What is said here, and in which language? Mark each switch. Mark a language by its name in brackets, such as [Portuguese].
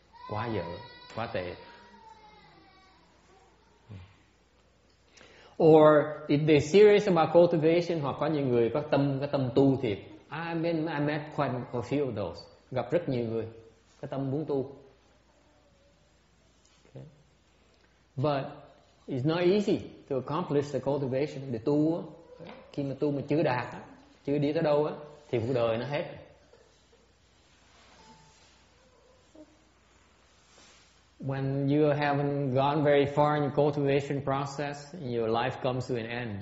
[Vietnamese] Quá dở, quá tệ. [English] Or if they're serious about cultivation, [Vietnamese] hoặc có những người có tâm tu thiệt. [English] I met quite a few of those. [Vietnamese] Gặp rất nhiều người có tâm muốn tu. [English] Okay. But it's not easy to accomplish the cultivation. [Vietnamese] Để tu, khi mà tu mà chưa đạt, chưa đi tới đâu á, thì cuộc đời nó hết. [English] When you haven't gone very far in the cultivation process, your life comes to an end.